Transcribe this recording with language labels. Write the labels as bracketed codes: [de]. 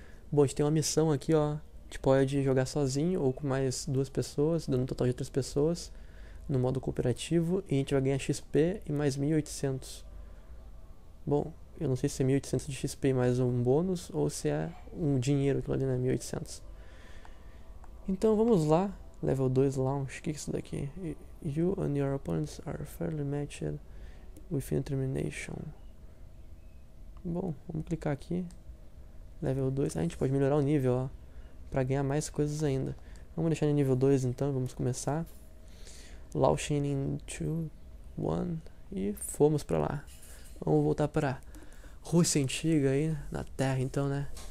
[pt] Bom, a gente tem uma missão aqui, ó. A gente pode jogar sozinho ou com mais duas pessoas, dando um total de três pessoas, no modo cooperativo, e a gente vai ganhar XP e mais 1.800. Bom, eu não sei se é 1.800 de XP e mais um bônus, ou se é um dinheiro, aquilo ali, né? 1.800. Então, vamos lá. [en] Level 2 Launch. [pt] O que é isso daqui? [en] You and your opponents are fairly matched within termination. [pt] Bom, vamos clicar aqui. Level 2. A gente pode melhorar o nível, ó, pra ganhar mais coisas ainda. Vamos deixar no nível 2 então. Vamos começar. [en] Launching in 2, 1. [pt] E fomos pra lá. Vamos voltar pra Rússia antiga aí, na Terra então, né?